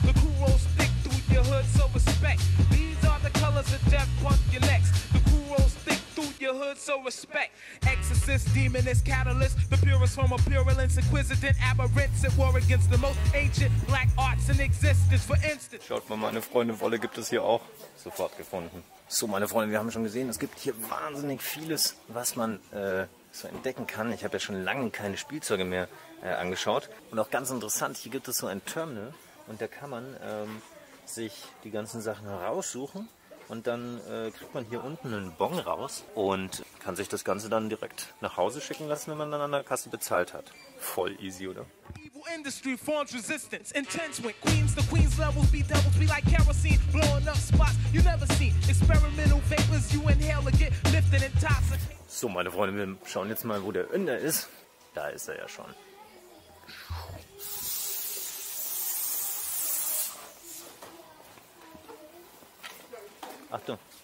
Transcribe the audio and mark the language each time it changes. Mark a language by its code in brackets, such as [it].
[en] The crew rolls thick through your hood, so respect. These are the colors of death, punk your necks. The crew rolls thick through your hood, so respect. Exorcist, demonist, catalyst, the purest form of purulence, inquisitant, aberrants at war against the most ancient black arts in existence, for instance. [de] Schaut mal, meine Freunde, Wolle gibt es hier auch. Sofort gefunden. So, meine Freunde, wir haben schon gesehen, es gibt hier wahnsinnig vieles, was man so entdecken kann. Ich habe ja schon lange keine Spielzeuge mehr angeschaut. Und auch ganz interessant, hier gibt es so ein Terminal und da kann man sich die ganzen Sachen heraussuchen. Und dann kriegt man hier unten einen Bon raus und kann sich das Ganze dann direkt nach Hause schicken lassen, wenn man dann an der Kasse bezahlt hat. Voll easy, oder? [en] Evil industry forms resistance. Intense with queens, the queens levels be devils, be like kerosene, blowing up spots you never seen. Experimental vapors you inhale get lifted and toxic. [de] So, meine Freunde, wir schauen jetzt mal, wo der Önder ist. Da ist er ja schon. Achtung.